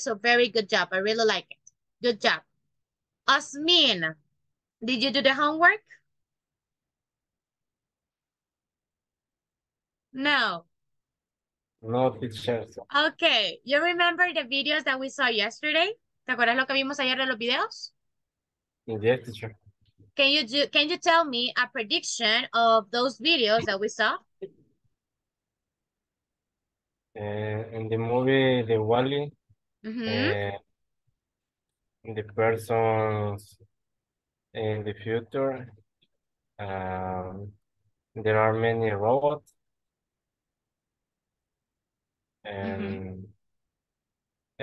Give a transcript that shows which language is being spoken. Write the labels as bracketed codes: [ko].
[en] So very good job. I really like it. Good job. Asmin, did you do the homework? No. No, teacher. Okay, you remember the videos that we saw yesterday? [es] ¿Te acuerdas lo que vimos ayer de los videos? [en] Yes, teacher. Can you tell me a prediction of those videos that we saw? In the movie, the Wally. Mm-hmm. The persons in the future, there are many robots, and mm-hmm.